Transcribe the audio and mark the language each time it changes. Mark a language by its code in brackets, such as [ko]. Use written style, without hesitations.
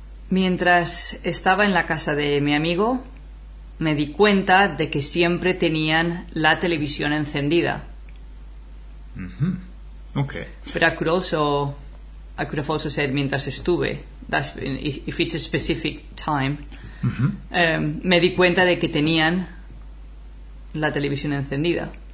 [es] Mientras estaba en la casa de mi amigo, me di cuenta de que siempre tenían la televisión encendida. Mm-hmm. Okay. [en] But I could have also said [es] mientras estuve. [en] That's if it's a specific time. Mm-hmm. [es] Me di cuenta de que tenían la televisión encendida.